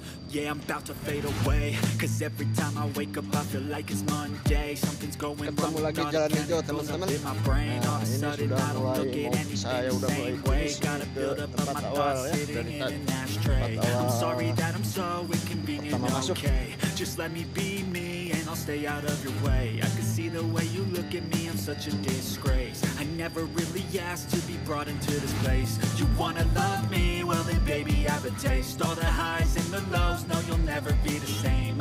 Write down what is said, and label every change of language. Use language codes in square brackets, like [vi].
[en] yeah, I'm about to fade away. Cause every time I wake up I feel like it's Monday. Something's going wrong. [id] Ketemu lagi jalan hijau teman-teman. Nah, ini sudah mulai. Saya udah mulai kondisi ke tempat awal ya. [en] I'm sorry that I'm so inconvenient. Okay, just let me be me and I'll stay out of your way. I can see the way you look at me, I'm such a disgrace. I never really asked to be brought into this place. You wanna love me, well then baby I have a taste. All the highs and the lows, no you'll never be the same.